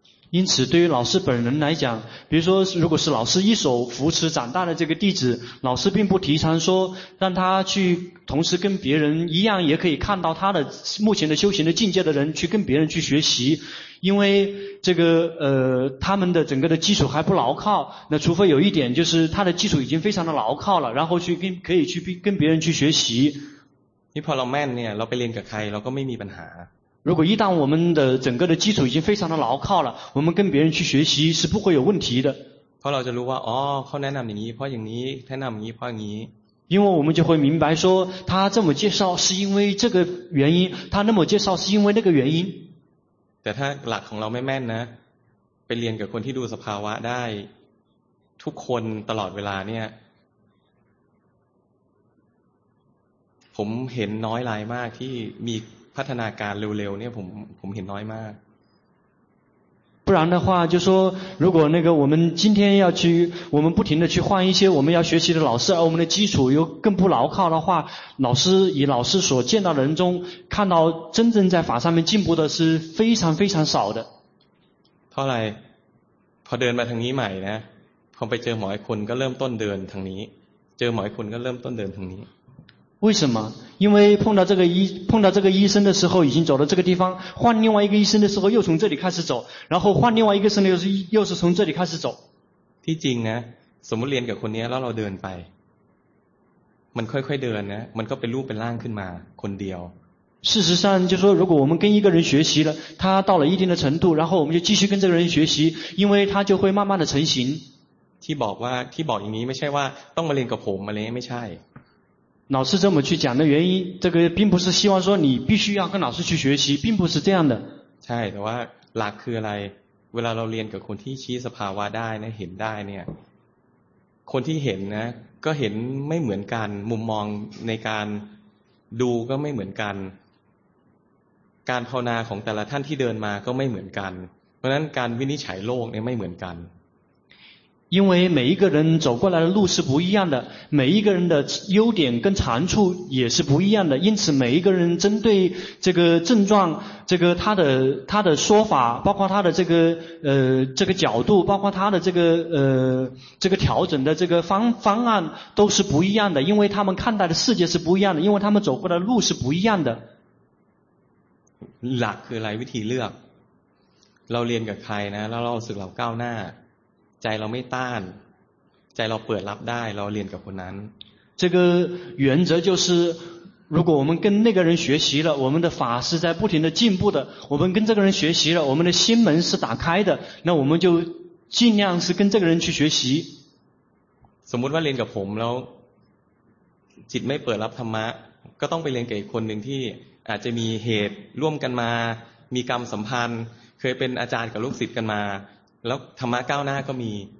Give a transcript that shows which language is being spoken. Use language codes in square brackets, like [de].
[zh] 因此对于老师本人来讲比如说如果是老师一手扶持长大的这个弟子老师并不提倡说让他去同时跟别人一样也可以看到他的目前的修行的境界的人去跟别人去学习因为这个他们的整个的基础还不牢靠那除非有一点就是他的基础已经非常的牢靠了然后去可以去跟别人去学习你跑到慢了老被练个开老个秘密本行如果一旦我们的整个的基础已经非常的牢靠了我们跟别人去学习是不会有问题的 [th] พอเราจะรู้ว่าอ๋อเขาแนะนำอย่างนี้เพราะอย่างนี้แนะนำอย่างนี้เพราะอย่างนี้ [zh] 因为我们就会明白说他这么介绍是因为这个原因他那么介绍是因为那个原因 [th] แต่ถ้าหลักของเราไม่แม่นนะไปเรียนกับคนที่ดูสภาวะได้ทุกคนตลอดเวลาเนี่ยผมเห็นน้อยรายมากที่มีพัฒนาการเร็วๆเนี่ยผมเห็นน้อยมาก [zh] 不然的话就说如果那个我们今天要去我们不停的去换一些我们要学习的老师而我们的基础又更不牢靠的话老师以老师所见到的人中看到真正在法上面进步的是非常非常少的 [th] เพราะอะไรพอเดินมาทางนี้ใหม่นะพอไปเจอหมอคนก็เริ่มต้นเดินทางนี้เจอหมอคนก็เริ่มต้นเดินทางนี้ [zh] 为什么因为碰到这个医生的时候已经走到这个地方换另外一个医生的时候又从这里开始走然后换另外一个医生的时候又是从这里开始走 [th] ที่จริงนะสมมติเรียนกับคนนี้แล้วเราเดินไปมันค่อยๆเดินนะมันก็เป็นรูปเป็นร่างขึ้นมาคนเดียว [zh] 事实上就说如果我们跟一个人学习了他到了一定的程度然后我们就继续跟这个人学习因为他就会慢慢的成型 [th] ที่บอกอย่างนี้ไม่ใช่ว่าต้องมาเรียนกับผมอะไรไม่ใช่ [zh] 老师这么去讲的原因这个并不是希望说你必须要跟老师去学习并不是这样的 [th] ใช่แต่ว่าหลักคืออะไรเวลาเราเรียนกับคนที่ชี้สภาวะได้นะเห็นได้เนี่ยคนที่เห็นนะก็เห็นไม่เหมือนกันมุมมองในการดูก็ไม่เหมือนกันการภาวนาของแต่ละท่านที่เดินมาก็ไม่เหมือนกันเพราะฉะนั้นการวินิจฉัยโลกเนี่ยไม่เหมือนกัน [zh] 因为每一个人走过来的路是不一样的，每一个人的优点跟长处也是不一样的，因此每一个人针对这个症状，这个他的说法，包括他的这个角度，包括他的这个调整的这个方案都是不一样的，因为他们看待的世界是不一样的，因为他们走过来的路是不一样的。 [th] หลักคือหลายวิธีเลือกเราเรียนกับใครนะแล้วเราสึกเราก้าวหน้าใจเราไม่ต้านใจเราเปิดรับได้เราเรียนกับคนนั้น [zh] 这个原则就是如果我们跟那个人学习了，我们的法是在不停的进步的，我们跟这个人学习了，我们的心门是打开的，那我们就尽量是跟这个人去学习。 [th] สมมติว่าเรียนกับผมแล้วจิตไม่เปิดรับธรรมะก็ต้องไปเรียนกับคนหนึ่งที่อาจจะมีเหตุร่วมกันมามีกรรมสัมพันธ์เคยเป็นอาจารย์กับลูกศิษย์กันมาแล้วธรรมะก้าวหน้าก็มี